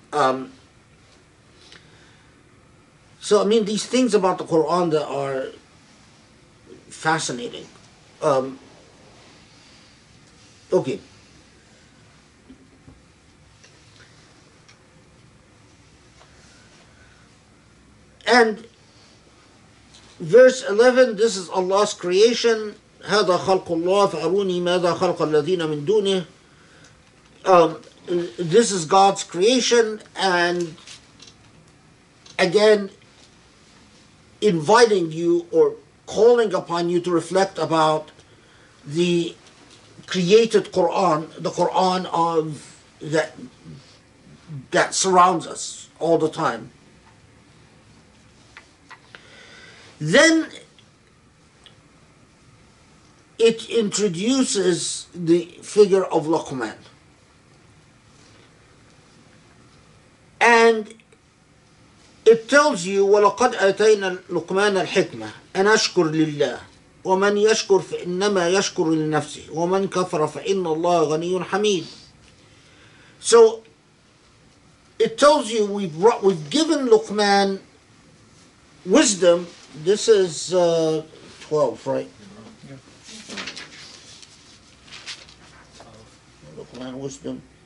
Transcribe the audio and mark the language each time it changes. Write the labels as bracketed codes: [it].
[en] So, I mean, these things about the Quran that are fascinating. Okay. And verse 11, this is Allah's creation. [ar] هذا خلق الله فأروني ماذا خلق الذين من دونه. [en] This is God's creation, and again, inviting you or calling upon you to reflect about the created Quran, the Quran of that surrounds us all the time. Then it introduces the figure of Luqman. And it tells you, [ar] وَلَقَدْ أَتَيْنَا لُقْمَانَ الْحِكْمَةِ أَنْ أَشْكُرْ لِلَّهِ وَمَنْ يَشْكُرْ فَإِنَّمَا يَشْكُرُ لِلنَّفْسِهِ وَمَنْ كَفَرَ فَإِنَّ اللَّهَ غَنِيٌّ حَمِيدٌ. [en] So it tells you we've given Luqman wisdom. This is 12, right? Luqman wisdom.